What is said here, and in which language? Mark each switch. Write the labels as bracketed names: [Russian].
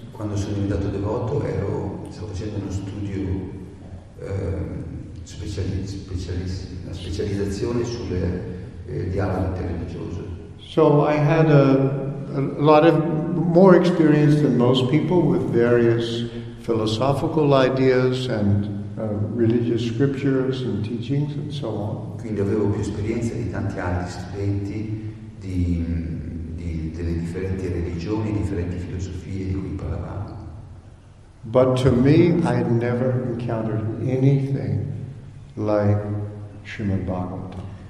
[Italian] Quando sono diventato devoto, stavo facendo uno studio una specializzazione sulle dialogo interreligioso. [English] So I had a lot of more experience than most people with various philosophical ideas and religious scriptures and teachings and so on. [Italian] Quindi avevo più esperienza di tanti altri studenti di delle differenti religioni, differenti filosofie di cui parlavamo. [English] But to me, I had never encountered anything like Srimad Bhagavatam.